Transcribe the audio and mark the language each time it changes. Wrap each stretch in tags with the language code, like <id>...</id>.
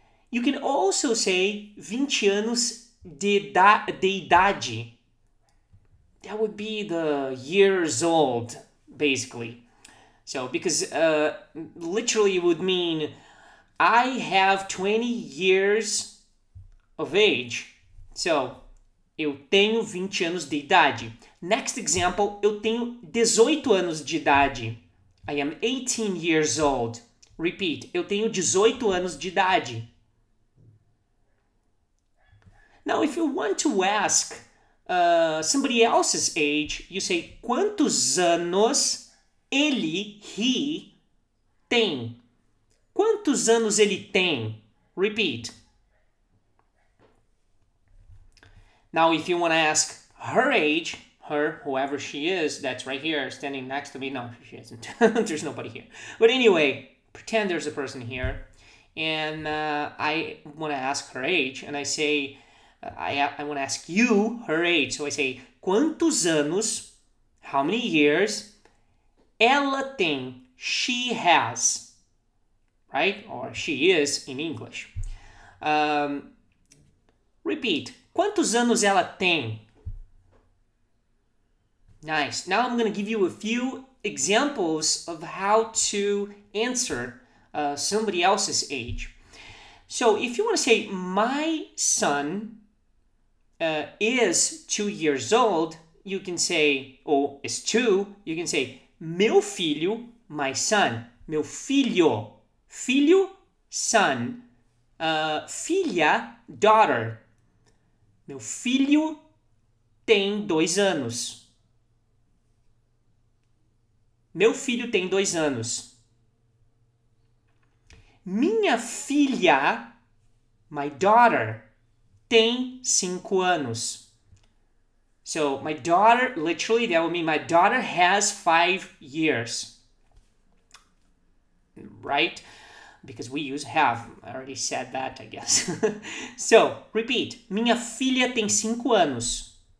<en>You can also say</en> <pt>20 anos de idade.</pt> <en>That would be the years old, basically. So, because literally it would mean I have 20 years of age.</en> <pt>So, eu tenho 20 anos de idade.</pt> <en>Next example,</en> <pt>eu tenho 18 anos de idade.</pt> <en>I am 18 years old. Repeat,</en> <pt>eu tenho 18 anos de idade.</pt> <en>Now, if you want to ask somebody else's age, you say,</en> <pt>quantos anos ele,</pt> <en>he,</en> <pt>tem? Quantos anos ele tem? Repeat.</pt> <en>Now, if you want to ask her age, her, whoever she is, that's right here, standing next to me. No, she isn't. There's nobody here. But anyway, pretend there's a person here. And I want to ask her age, and I say... I want to ask you her age. So I say,</en> <pt>quantos anos,</pt> <en>how many years,</en> <pt>ela tem,</pt> <en>she has, right? Or she is in English.</en> <pt>Repeat, quantos anos ela tem?</pt> <en>Nice. Now I'm going to give you a few examples of how to answer somebody else's age. So if you want to say, my son... is 2 years old, you can say, or is two, you can say,</en> <pt>meu filho,</pt> <en>my son.</en> <pt>Meu filho. Filho, son. Filha, daughter. Meu filho tem 2 anos. Meu filho tem 2 anos. Minha filha,</pt> <en>my daughter,</en> <pt>tem 5 anos.</pt> <en>So, my daughter, literally, that would mean my daughter has 5 years. Right? Because we use have. I already said that, I guess.</en> <pt>So, repeat. Minha filha tem 5 anos.</pt>